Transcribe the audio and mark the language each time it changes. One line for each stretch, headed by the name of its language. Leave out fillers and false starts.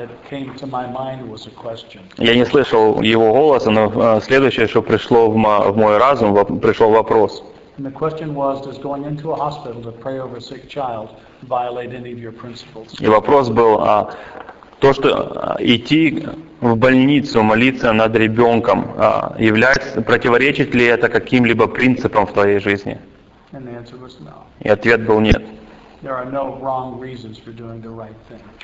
Russian: Я не слышал его голоса, но следующее, что пришло в мой разум, пришел вопрос.
English: And the question was, does going into a hospital to pray over a sick child violate any of your principles?
Russian: И вопрос был, то, что идти в больницу молиться над ребенком, противоречит ли это каким-либо принципам в твоей жизни?
English: And the answer was no.
Russian: И ответ был нет.
English: There are no wrong reasons for doing the right thing.